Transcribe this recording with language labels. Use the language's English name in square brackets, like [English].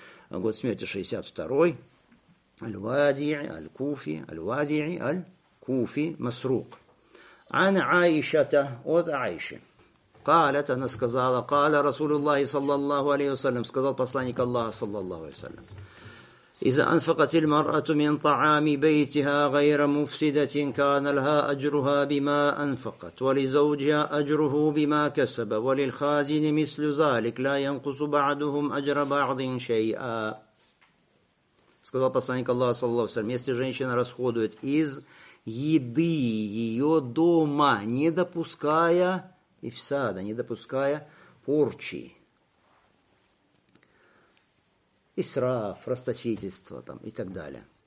[Russian] Год смерти 62-й. Аль-Вади'и, Аль-Куфи, Аль-Вади'и, Аль-Куфи, Масрук. [Arabic] Ан Аишата, [Russian] от Аиши. [Arabic] Калят, [Russian] она сказала, [Arabic] каля Расулуллахи, саллаллаху алейхи вассалям, [Russian] сказал посланник Аллаха, саллаллаху алейхи вассалям. [Arabic] إذا أنفقت المرأة من طعام بيتها غير مفسدة كان لها أجرها بما أنفقت ولزوجها أجره بما كسب وللخازن مثل ذلك لا ينقص بعضهم أجر بعض شيئا. [Russian] Сказал посланник Аллаха [Arabic] صلى الله عليه وسلم, [Russian] если женщина расходует из еды ее дома, не допуская ифсада, не допуская порчи, исраф, расточительство там, и так далее.